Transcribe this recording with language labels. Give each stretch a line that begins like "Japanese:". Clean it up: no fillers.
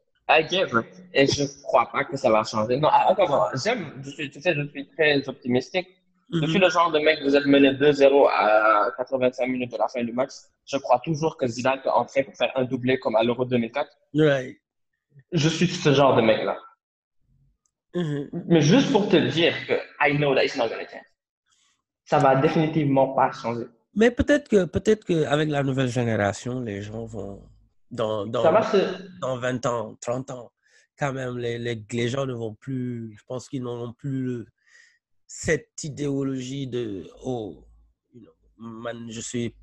English: I give,
French: et je crois pas que ça va changer. Non, attends, je suis très optimiste. Je suis le genre de mec, vous êtes mené 2-0 à 85 minutes de la fin du match. Je crois toujours que Zidane peut entrer pour faire un doublé comme à l'Euro 2004. Je suis ce genre de mec-là. Mais juste pour te dire que
English: I know that it's not going to change.
French: Ça va définitivement pas changer. Mais peut-être que avec la nouvelle génération, les gens vont Ça va se. dans 20 ans, 30 ans, quand même, les gens ne vont plus, je pense qu'ils n'auront plus cette idéologie de
English: oh, man,
French: je suis.